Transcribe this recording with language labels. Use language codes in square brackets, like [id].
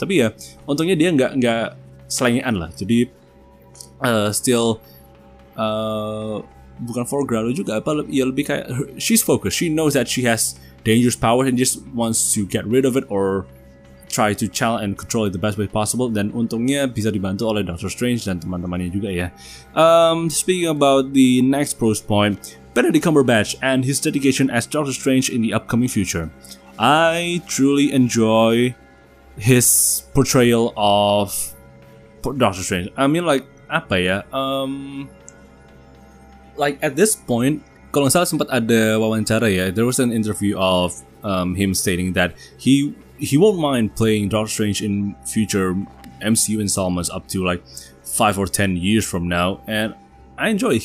[id] Tapi ya, untungnya dia nggak selengean lah. Jadi still bukan foreground juga. [en] She's focused. She knows that she has dangerous powers and just wants to get rid of it or try to channel and control it the best way possible. [id] Dan untungnya bisa dibantu oleh Doctor Strange dan teman-temannya juga ya. [en] Speaking about the next pros point, Benedict Cumberbatch and his dedication as Doctor Strange in the upcoming future. I truly enjoy his portrayal of Doctor Strange. I mean, like, [id] apa ya? [en] Like, at this point, [id] kalau nggak salah sempat ada wawancara ya, [en] there was an interview of him stating that he won't mind playing Doctor Strange in future MCU installments up to like 5 or 10 years from now, and I enjoy it.